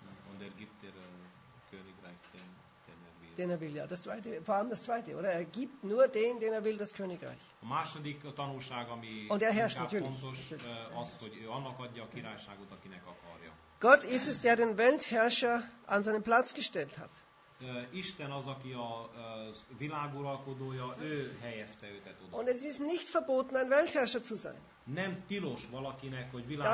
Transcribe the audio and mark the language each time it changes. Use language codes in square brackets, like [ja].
[de] Und gibt dir Königreich, den er will. Den er will, ja. Das zweite, vor allem das zweite, oder? Gibt nur den er will, das Königreich. [hu] A második tanulság, ami [de] und herrscht, [hu] inkább fontos, az, hogy ő annak adja a királyságot, akinek akarja. [de] Gott ist es, der den Weltherrscher an seinen Platz gestellt hat. [hu] Isten az, aki a világuralkodója, ő helyezte őt oda. [de] Und es ist nicht verboten, ein Weltherrscher zu sein. [hu] Nem tilos valakinek, hogy